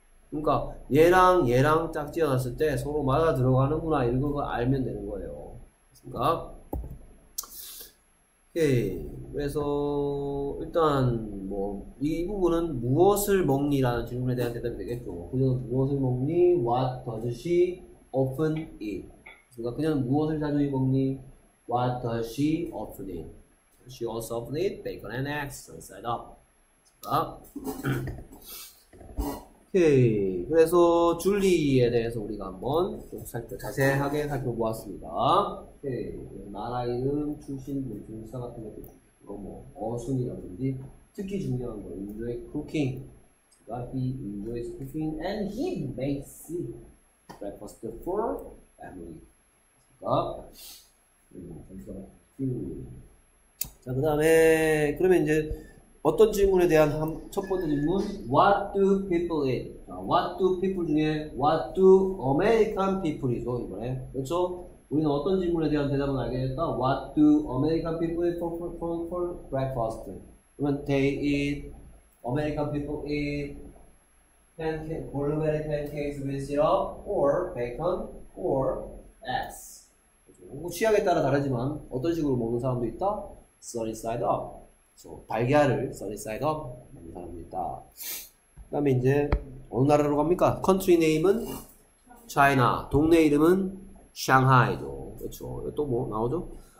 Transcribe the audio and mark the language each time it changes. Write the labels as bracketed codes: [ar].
[ko] 그러니까 얘랑 얘랑 짝 지어놨을 때 서로 맞아 들어가는구나 이런 걸 알면 되는 거예요. 그렇습니까? 오케이. 그래서 일단 뭐 이 부분은 무엇을 먹니라는 질문에 대한 대답이 되겠죠. 그녀는 무엇을 먹니? [en] What does she often eat? [ko] 그러니까 그녀는 무엇을 자주 먹니? [en] What does she often eat? She also often eat bacon and eggs inside up. [ko] 오케이. 그래서 줄리에 대해서 우리가 한번 좀 자세하게 살펴보았습니다. 오케이. 나라 이름, 출신, 종사 같은 것도 있고, 뭐 어순이라든지 특히 중요한 거 [en] enjoy cooking. He enjoys cooking and he makes breakfast for family. [ko] 자, 그 다음에 그러면 이제 어떤 질문에 대한 첫 번째 질문. [en] What do people eat? 자, what do people 중에 what do American people eat? [ko] 이번에 그렇죠? 우리는 어떤 질문에 대한 대답을 알겠다. [en] What do American people eat for breakfast? 그러면 they eat, American people eat blueberry pancakes with syrup or bacon or eggs. [ko] 취향에 따라 다르지만 어떤 식으로 먹는 사람도 있다? [en] Sunny side up. So, [ko] 달걀을 [en] sunny side up [ko] 먹는 사람도 있다. 그 다음에 이제 어느 나라로 갑니까? Country name은 China. 동네 이름은 Shanghai죠. 그렇죠. 또 뭐 나오죠?